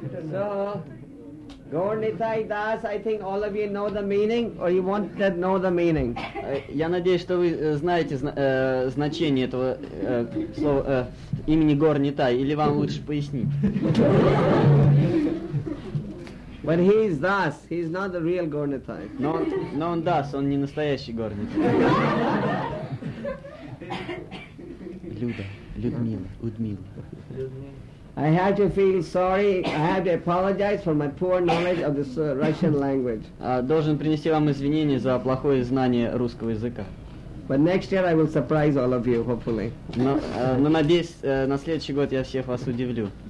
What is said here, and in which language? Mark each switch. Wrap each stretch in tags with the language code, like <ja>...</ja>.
<en>So Gornithai Das, I think all of you know the meaning, or you want to know the meaning.</en> <ru>Я надеюсь, что вы знаете значение этого слова имени Горнитай, или вам лучше пояснить.</ru> <en>But he is Das, he is not the real Gornithai.</en> <ru>Но он Das, он не настоящий Горнитай. Люда, Людмила, Удмила.</ru> <en>I have to feel sorry. I have to apologize for my poor knowledge of this Russian language.</en> <ru>Должен принести вам извинения за плохое знание русского языка.</ru> <en>But next year I will surprise all of you, hopefully.</en> <ru>Но надеюсь, на следующий год я всех вас удивлю.</ru>